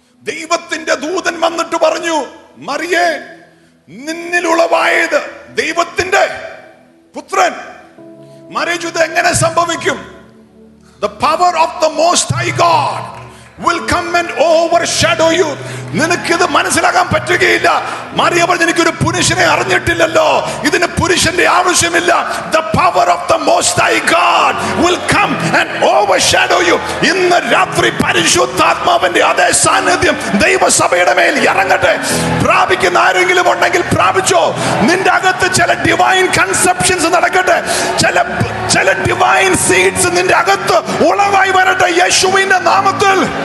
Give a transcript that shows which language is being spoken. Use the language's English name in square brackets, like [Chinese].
[Malayalam] ദൈവത്തിന്റെ ദൂതൻ വന്നിട്ട് പറഞ്ഞു, മറിയെ നിന്നിൽ ഉളവായത് ദൈവത്തിന്റെ പുത്രൻ. മറിയ ചോദിച്ചു, എങ്ങനെ സംഭവിക്കും? [English] The power of the most high God will come and overshadow you. [Malayalam] നിനക്ക് ഇത് മനസ്സിലാക്കാൻ പറ്റുകയില്ല. മറിയ പറഞ്ഞു, എനിക്കൊരു പുരുഷനെ അറിഞ്ഞിട്ടില്ലല്ലോ, ഇതിന് പുരുഷന്റെ ആവശ്യമില്ല. [English] The power of the most high God will come and overshadow you. [Malayalam] ഇന്ന് രാത്രി പരിശുദ്ധാത്മാവിന്റെ അതേ സാന്നിധ്യം ദൈവസഭയുടെ മേൽ ഇറങ്ങട്ടെ. പ്രാപിക്കുന്ന ആരെങ്കിലും ഉണ്ടെങ്കിൽ പ്രാപിച്ചോ. നിന്റെ അകത്ത് ചില ഡിവൈൻ കൺസെപ്ഷൻസ് നടക്കട്ടെ. ചില ഡിവൈൻ സീഡ്സ് നിന്റെ അകത്ത് ഉളവായി വരട്ടെ യേശുവിന്റെ നാമത്തിൽ.